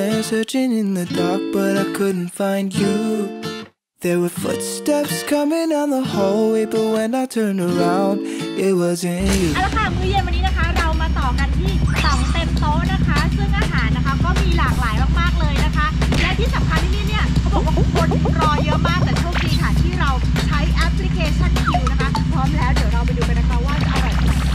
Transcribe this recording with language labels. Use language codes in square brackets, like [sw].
[en] Searching in the dark, but I couldn't find you. There were footsteps coming down the hallway, but when I turned around, it wasn't you. [th] เอาละค่ะมื้อเย็นวันนี้นะคะเรามาต่อกันที่ต่องเต็มโต๊ะนะคะซึ่งอาหารนะคะก็มีหลากหลายมากๆเลยนะคะและที่สำคัญที่นี่เนี่ยเขาบอกว่าคนรอเยอะมากแต่โชคดีค่ะที่เรา ใช้แอปพลิเคชันคิวนะคะพร้อมแล้วเดี๋ยวเราไปดูกันนะคะว่าจะอร่อยไหม